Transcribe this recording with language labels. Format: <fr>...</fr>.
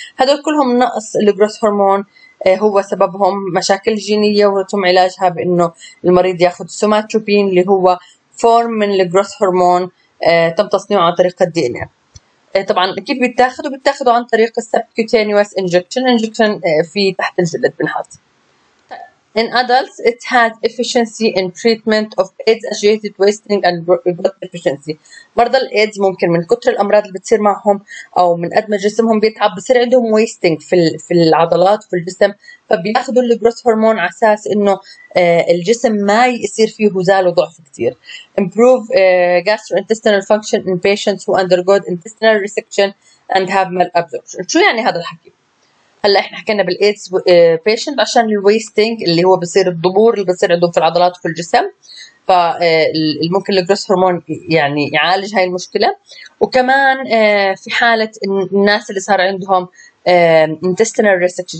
<ar>هذول كلهم نقص الجروث هرمون هو سببهم، مشاكل جينية، وتم علاجها بأنه المريض يأخذ سوماتروبين اللي هو فورم من الجروث هرمون تم تصنيعه عن طريق الدي ان اي. طبعا كيف بيتاخذوا؟ بيتاخذوا عن طريق السبكوتينيوس انجكشن في تحت الجلد بنحط.</ar> <en>In adults it has efficiency in treatment of AIDS associated wasting and growth deficiency.</en> <ar>مرضى الايدز ممكن من كثر الامراض اللي بتصير معهم او من قد ما جسمهم بيتعب بصير عندهم wasting في العضلات في الجسم، فبياخذوا الجروث هرمون على اساس انه الجسم ما يصير فيه هزال وضعف كثير.</ar> <en>Improve gastrointestinal function in patients who undergo intestinal resection and have malabsorption.</en> <ar>شو يعني هذا الحكي؟ هلا احنا حكينا بالايدز بيشنت عشان الويستنج اللي هو بصير الضبور اللي بصير عندهم في العضلات وفي الجسم، فممكن الجروس هرمون يعني يعالج هاي المشكله. وكمان في حاله الناس اللي صار عندهم انتستينال ريسكشن.</ar>